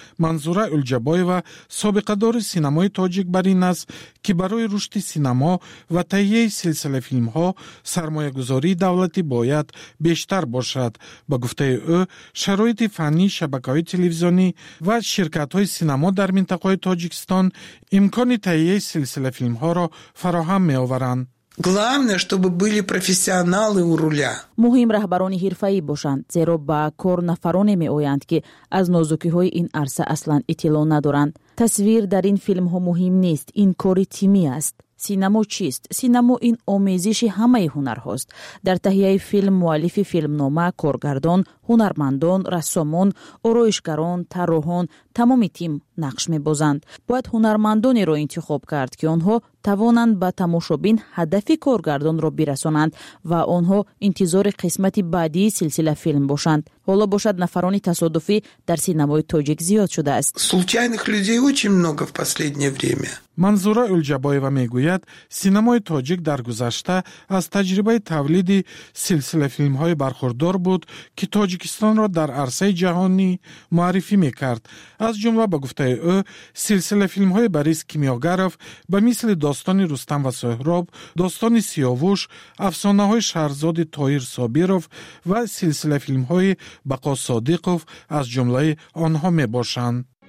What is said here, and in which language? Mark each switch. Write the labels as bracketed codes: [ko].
[fa] منظوره اولجبایوا سابقه دار سینمای تاجیک بر این است که برای رشد سینما و تهیه سلسله فیلم ها سرمایه گذاری دولتی باید بیشتر باشد. با گفته او شرایط فنی شبکه های تلویزیونی و شرکت های سینما در منطقه تاجیکستان امکان تهیه سلسله فیلم ها را فراهم می آورند. [ru] Главное, чтобы были профессионалы у руля. [fa] مهم رهبران حرفه‌ای باشند، زیرا با کار نفرانی می‌آیند که از نازکی‌های این عرصه اصلاً اطلاع ندارند. تصویر در این فیلم‌ها مهم نیست، این کار تیمی است. سینما چیست؟ سینما این آمیزش همه هنرهاست. در تهیه فیلم مؤلف فیلمنامه، کارگردان، هنرمندان، رسامان، آرایشگران، طراحان، تمام تیم نقش می‌بازند. باید هنرمندانی را انتخاب کرد که آنها توانند به تماشابین هدف کارگردان را برسانند و آنها انتظار قسمت بعدی سلسله فیلم باشند. حالا باشد نفرانی تصادفی در سینمای تاجیک زیاد شده است. [ru] случайних людей очень много в последнее время. [fa] منظوره اولجبایوا میگوید سینمای تاجیک در گذشته از تجربه تولید سلسله فیلم های برخوردار بود که تاجیکستان را در عرصه جهانی معرفی میکرد. از جمله به گفته او سلسله فیلم های بریس کیمیاگرف به مثل داستان رستم و سهراب، داستان سیاووش، افسانه های شهرزاد طاهر صابیروف و سلسله فیلم های بقا صادقوف از جمله آنها میباشند.